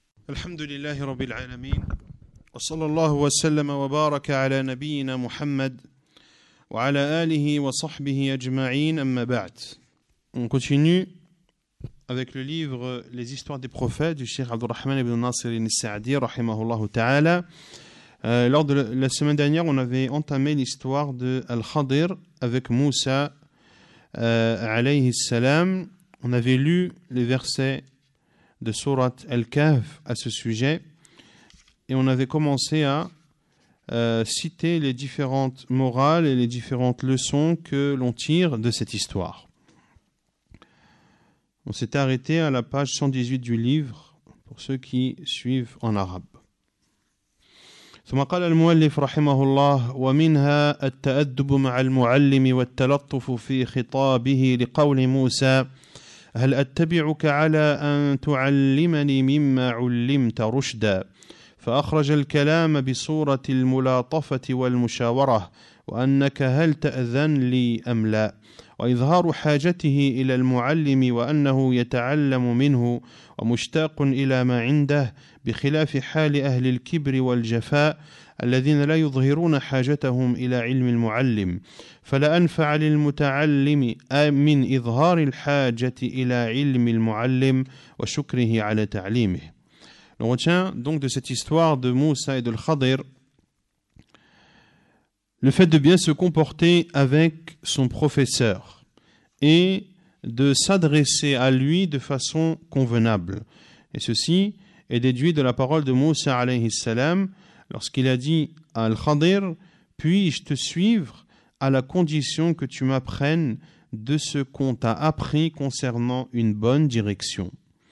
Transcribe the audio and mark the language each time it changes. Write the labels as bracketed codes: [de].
[ar] الحمد لله رب العالمين، وصلى الله وسلم وبارك على نبينا محمد وعلى آله وصحبه أجمعين. أما بعد، [fr] on continue avec le livre Les Histoires des Prophètes du Cheikh Abdurrahman ibn Nasir al-Sa'di [ar] رحمه تعالى. [fr] Lors de la semaine dernière, on avait entamé l'histoire de Al-Khadir avec Moussa alayhi salam. On avait lu les versets de Sourate Al-Kahf à ce sujet et on avait commencé à citer les différentes morales et les différentes leçons que l'on tire de cette histoire. On s'est arrêté à la page 118 du livre pour ceux qui suivent en arabe. [ar] ثم قال المؤلف رحمه الله ومنها التأدب مع المعلم والتلطف في خطابه لقول موسى هل أتبعك على أن تعلمني مما علمت رشدا فأخرج الكلام بصورة الملاطفة والمشاورة وأنك هل تأذن لي أم لا وإظهار حاجته إلى المعلم وأنه يتعلم منه ومشتاق إلى ما عنده بخلاف حال أهل الكبر والجفاء الذين لا يظهرون حاجتهم إلى علم المعلم فلا أنفع للمتعلم من إظهار الحاجة إلى علم المعلم وشكره على تعليمه. [fr] On retient donc de cette histoire de Moussa et de Khadir le fait de bien se comporter avec son professeur et de s'adresser à lui de façon convenable. Et ceci est déduit de la parole de Moussa alayhi salam lorsqu'il a dit à Al-Khadir « Puis-je te suivre à la condition que tu m'apprennes de ce qu'on t'a appris concernant une bonne direction ?»